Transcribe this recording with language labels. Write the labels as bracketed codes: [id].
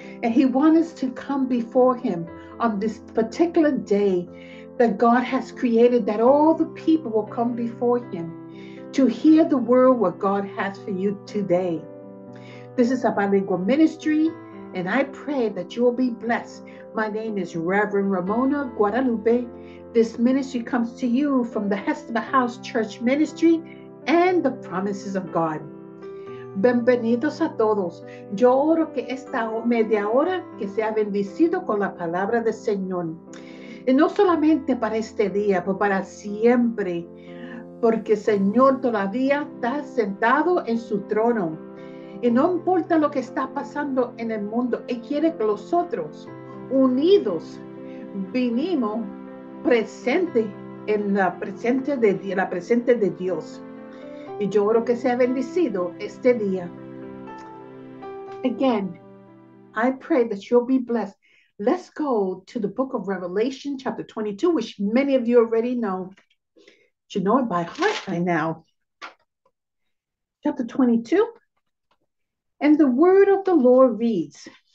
[en] And He wants us to come before Him on this particular day that God has created, that all the people will come before Him to hear the word what God has for you today. This is a bilingual ministry, and I pray that you will be blessed. My name is Reverend Ramona Guadalupe. This ministry comes to you from the Hepzibah House Church Ministry and the promises of God. [es] Bienvenidos a todos. Yo oro que esta media hora que sea bendecido con la palabra del Señor. Y no solamente para este día, pero para siempre. Porque el Señor todavía está sentado en su trono. Y no importa lo que está pasando en el mundo, Él quiere que nosotros, unidos, vinimos presente en la presencia de Dios. Y yo oro que sea bendecido este día. [en] Again, I pray that you'll be blessed. Let's go to the book of Revelation chapter 22, which many of you already know. But you know it by heart by now. Chapter 22. And the word of the Lord reads.